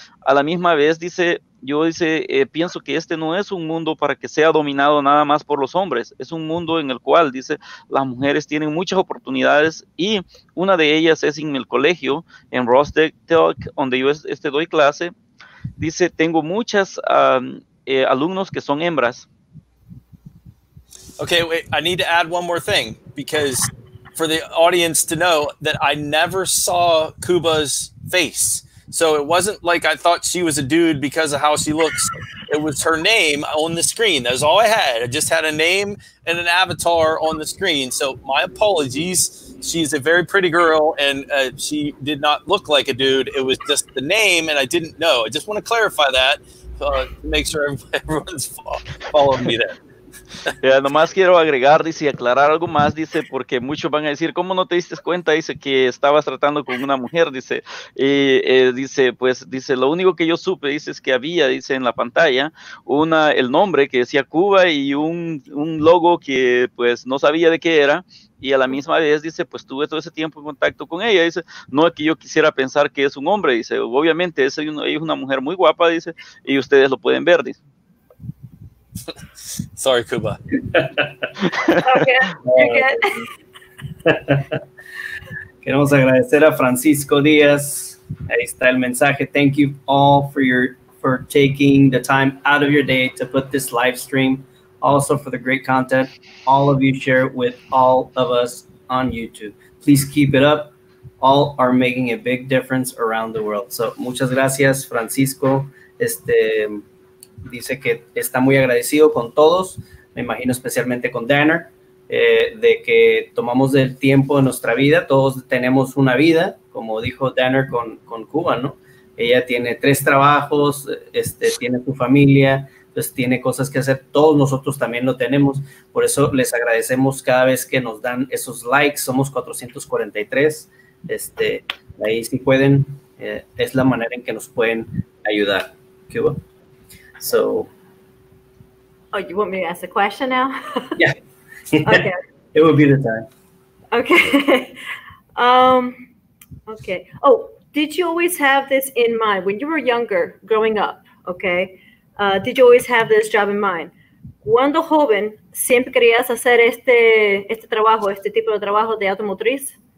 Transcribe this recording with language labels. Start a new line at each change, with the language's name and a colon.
Spanish: A la misma vez, dice, yo, dice, pienso que este no es un mundo para que sea dominado nada más por los hombres, es un mundo en el cual, dice, las mujeres tienen muchas oportunidades, y una de ellas es en el colegio, en Rostec Tech, donde yo doy clase, dice, tengo muchas alumnos que son hembras.
English: Okay, wait, I need to add one more thing, because for the audience to know that I never saw Cuba's face. So it wasn't like I thought she was a dude because of how she looks. It was her name on the screen. That was all I had. I just had a name and an avatar on the screen. So my apologies. She's a very pretty girl, and she did not look like a dude. It was just the name, and I didn't know. I just want to clarify that to make sure everyone's following me there.
Spanish: Ya, nomás quiero agregar, dice, y aclarar algo más, dice, porque muchos van a decir, ¿cómo no te diste cuenta? Dice, que estabas tratando con una mujer, dice, y dice, pues, dice, lo único que yo supe, dice, es que había, dice, en la pantalla, el nombre que decía Cuba y un logo que, pues, no sabía de qué era, y a la misma vez, dice, pues, tuve todo ese tiempo en contacto con ella, dice, no es que yo quisiera pensar que es un hombre, dice, obviamente, ella es una mujer muy guapa, dice, y ustedes lo pueden ver, dice.
English: Sorry, Cuba. Okay, you're good.
Spanish: Queremos agradecer a Francisco Díaz. Ahí está el mensaje.
English: Thank you all for taking the time out of your day to put this live stream. Also for the great content all of you share with all of us on YouTube. Please keep it up. All are making a big difference around the world.
Spanish: So, muchas gracias, Francisco. Dice que está muy agradecido con todos, me imagino especialmente con Danner, de que tomamos el tiempo de nuestra vida. Todos tenemos una vida, como dijo Danner con Cuba, ¿no? Ella tiene 3 trabajos, tiene su familia, pues tiene cosas que hacer. Todos nosotros también lo tenemos. Por eso les agradecemos cada vez que nos dan esos likes. Somos 443. Ahí, si pueden, es la manera en que nos pueden ayudar.
English: Cuba. So, oh, you want me to ask a question now? Yeah. Okay. It would be the time. Okay. Okay. Oh, did you always have this in mind when you were younger, growing up? Okay. Did you always have this job in mind?
Spanish: Cuando joven, siempre querías hacer este trabajo, este tipo de trabajo de automotriz?